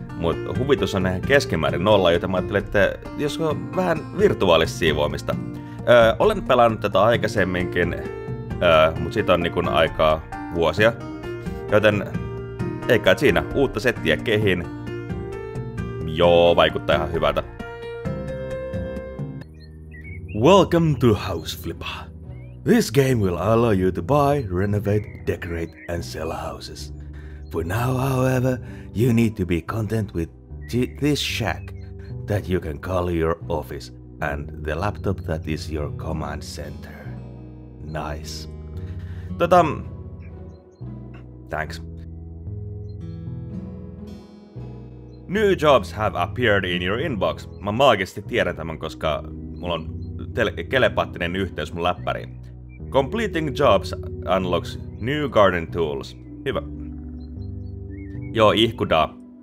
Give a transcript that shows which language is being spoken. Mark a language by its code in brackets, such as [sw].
[fi] Mut huvitus on ihan keskimäärin nolla, joten mä ajattelin, että josko vähän virtuaalista siivoamista. Olen pelannut tätä aikaisemminkin, mut siitä on niin aikaa vuosia. Joten eikä siinä uutta settiä kehin. Joo, vaikuttaa ihan hyvältä. [en] Welcome to House Flipper. This game will allow you to buy, renovate, decorate and sell houses. For now, however, you need to be content with this shack that you can call your office and the laptop that is your command center. Nice. Thanks. New jobs have appeared in your inbox. [fi] Mä maagisesti tiedän tämän, koska mulla on telepaattinen yhteys mun läppäriin. [en] Completing jobs unlocks new garden tools. [fi] Hyvä. Joo, ihkudaa.